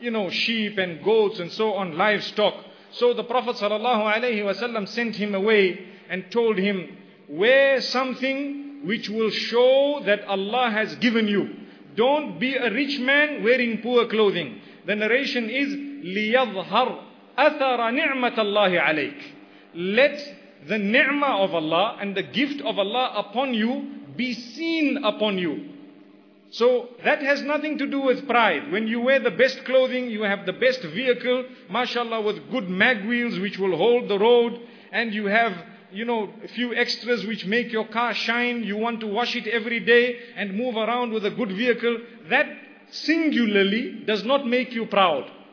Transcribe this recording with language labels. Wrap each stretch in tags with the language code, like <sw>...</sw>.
<en>sheep and goats and so on, livestock. So the Prophet sallallahu alayhi wa sallam sent him away and told him, wear something which will show that Allah has given you. Don't be a rich man wearing poor clothing. The narration is,</en> <ar>لِيَظْهَرْ أَثَرَ نِعْمَةَ اللَّهِ عَلَيْكَ.</ar> <en>Let the ni'mah of Allah and the gift of Allah upon you be seen upon you. So that has nothing to do with pride. When you wear the best clothing, you have the best vehicle, mashallah, with good mag wheels which will hold the road, and you have, a few extras which make your car shine, you want to wash it every day and move around with a good vehicle, that singularly does not make you proud.</en>